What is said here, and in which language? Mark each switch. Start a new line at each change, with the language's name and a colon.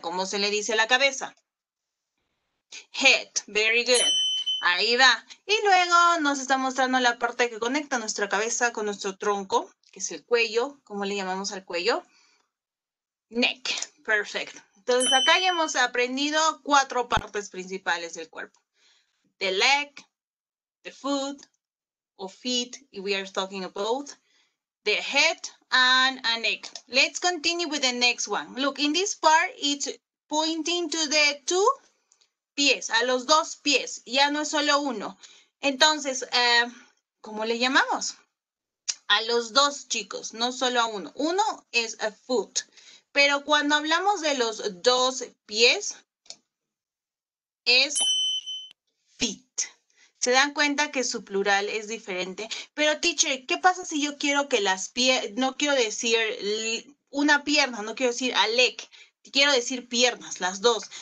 Spanish: ¿Cómo se le dice a la cabeza? Head.
English: Very good.
Spanish: Ahí va. Y luego nos está mostrando la parte que conecta nuestra cabeza con nuestro tronco, que es el cuello. ¿Cómo le llamamos al cuello? Neck. Perfecto. Entonces acá ya hemos aprendido cuatro partes principales del cuerpo.
English: The leg, the foot, o feet, if we are talking about the head and a neck. Let's continue with the next one. Look, in this part, it's pointing to the two pies,
Spanish: a los dos pies, ya no es solo uno. Entonces, ¿cómo le llamamos? A los dos, chicos, no solo a uno. Uno es a foot, pero cuando hablamos de los dos pies, es feet. Se dan cuenta que su plural es diferente. Pero, teacher, ¿qué pasa si yo quiero que las piernas, no quiero decir una pierna, no quiero decir a leg, quiero decir piernas, las dos?